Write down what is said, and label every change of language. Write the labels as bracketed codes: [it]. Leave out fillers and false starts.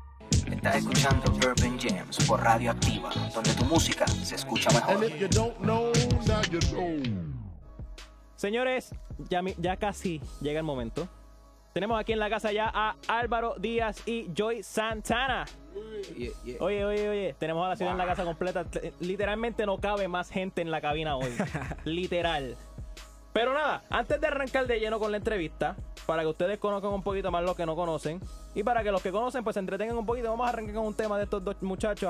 [es] Está escuchando Urban Jams por Radio Activa, donde tu música se escucha mejor. [en] And if you don't know, now you know. [es] Señores, ya casi llega el momento. Tenemos aquí en la casa ya a Álvaro Díaz y Joyce Santana. Yeah. Oye, tenemos a la ciudad en la casa completa. Literalmente no cabe más gente en la cabina hoy. Literal. Pero nada, antes de arrancar de lleno con la entrevista, para que ustedes conozcan un poquito más los que no conocen, y para que los que conocen pues se entretengan un poquito, vamos a arrancar con un tema de estos dos muchachos.